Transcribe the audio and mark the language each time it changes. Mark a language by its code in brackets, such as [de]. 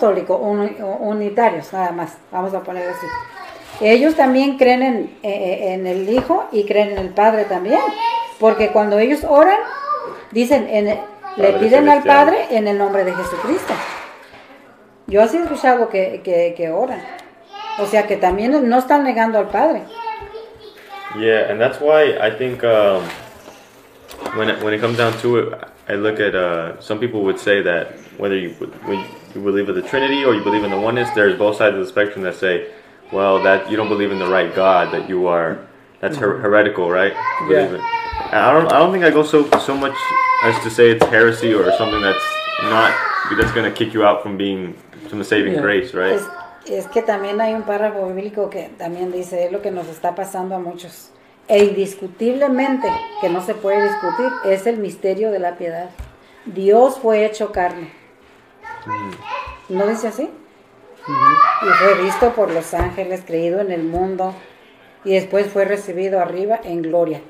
[es] Unitarios, nada más, vamos a poner así. Ellos también creen en el Hijo y creen en el Padre también. Porque cuando ellos oran, dicen, le piden celestial al Padre en el nombre de Jesucristo. Yo así he escuchado que oran. O sea, que también no están negando al Padre. [en] Yeah, and that's why I think when it comes down to it, I look at some people would say that whether you believe in the Trinity or you believe in the oneness, there's both sides of the spectrum that say, well, that you don't believe in the right God, that you are, that's heretical, right? Yeah. I don't think I go so much as to say it's heresy or something that's going to kick you out from the saving grace, right? [es] Es que también hay un párrafo bíblico que también dice, es lo que nos está pasando a muchos. E indiscutiblemente, que no se puede discutir, es el misterio de la piedad. Dios fue hecho carne. ¿No dice así? Y fue visto por los ángeles, creído en el mundo, y después fue recibido arriba en gloria.